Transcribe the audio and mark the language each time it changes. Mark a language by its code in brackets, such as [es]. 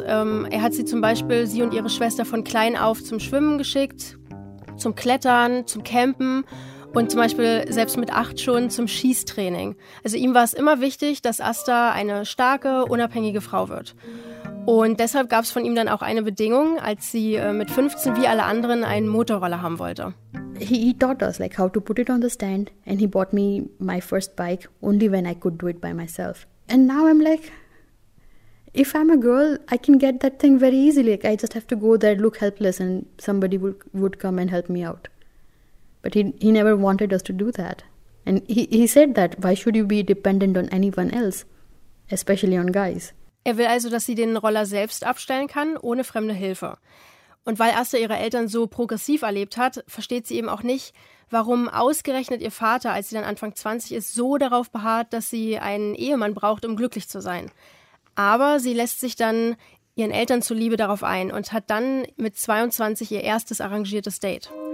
[de] Er hat sie zum Beispiel, sie und ihre Schwester, von klein auf zum Schwimmen geschickt, zum Klettern, zum Campen und zum Beispiel selbst mit 8 schon zum Schießtraining. Also ihm war es immer wichtig, dass Asta eine starke, unabhängige Frau wird. Und deshalb gab es von ihm dann auch eine Bedingung, als sie mit 15 wie alle anderen einen Motorroller haben wollte. [en] He taught us like how to put it on the stand and he bought me my first bike only when I could do it by myself. And now I'm like, if I'm a girl, I can get that thing very easily. Like I just have to go there, look helpless and somebody would come and help me out. But he never wanted us to do that. And he said that, why should you be dependent on anyone else, especially on guys? [de] Er will also, dass sie den Roller selbst abstellen kann, ohne fremde Hilfe. Und weil Asta ihre Eltern so progressiv erlebt hat, versteht sie eben auch nicht, warum ausgerechnet ihr Vater, als sie dann Anfang 20 ist, so darauf beharrt, dass sie einen Ehemann braucht, um glücklich zu sein. Aber sie lässt sich dann ihren Eltern zuliebe darauf ein und hat dann mit 22 ihr erstes arrangiertes Date.